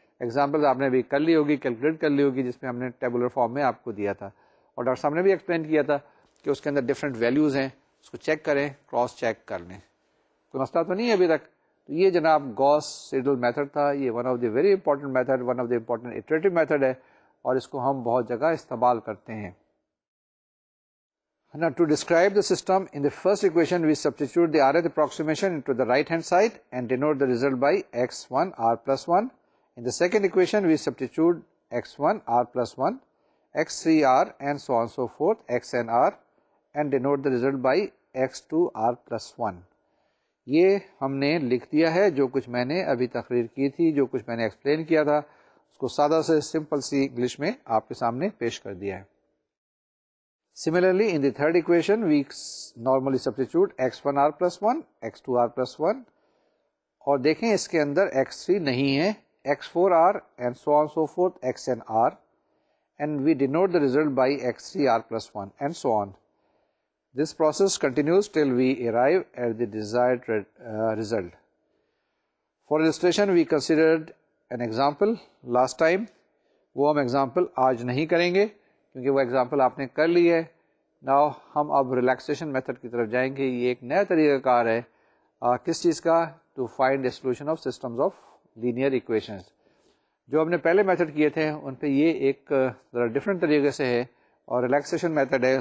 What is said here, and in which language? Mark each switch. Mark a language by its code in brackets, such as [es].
[ur] Example آپ نے ابھی کر لی ہوگی, کیلکولیٹ کر لی ہوگی, جس میں ہم نے ٹیبولر فارم میں آپ کو دیا تھا, اور ڈاکٹر صاحب نے بھی ایکسپلین کیا تھا کہ اس کے اندر ڈفرینٹ ویلیوز ہیں, اس کو چیک کریں, کراس چیک کر لیں. تو مسئلہ تو نہیں ہے ابھی تک. تو یہ جناب گاؤس سیڈل میتھڈ تھا. یہ one of the very important method, one of the important اٹریٹیو method ہے, اور اس کو ہم بہت جگہ استعمال کرتے ہیں. [en] Now, to describe the system, in the first equation, we substitute the rth approximation into the right-hand side and denote the result by x1 r plus 1. In the second equation, we substitute x one r plus one x three r and so on so forth x n r and denote the result by x two r plus one. [ur] یہ ہم نے لکھ دیا ہے جو کچھ میں نے ابھی تقریر کی تھی, جو کچھ میں نے ایکسپلین کیا تھا اس کو سادہ سے سمپل سی انگلش میں آپ کے سامنے پیش کر دیا ہے. [en] similarly in the third equation we normally substitute x one r plus one x two r plus one, [ur] اور دیکھیں اس کے اندر ایکس تھری نہیں ہے, [en] X four r and so on so forth x n r and we denote the result by x three r plus one and so on. This process continues till we arrive at the desired result. For illustration, we considered an example last time. [ur] وہ ہم example آج نہیں کریں گے کیونکہ وہ example آپ نے کر لی ہے. Now ہم اب relaxation method کی طرف جائیں گے. یہ ایک نیا طریقہ کار ہے کس چیز کا, [en] to find a solution of systems of linear equations. [ur] جو ہم نے پہلے method کیے تھے ان پہ یہ ایک ذرا different طریقے سے ہے, اور ریلیکسیشن میتھڈ ہے.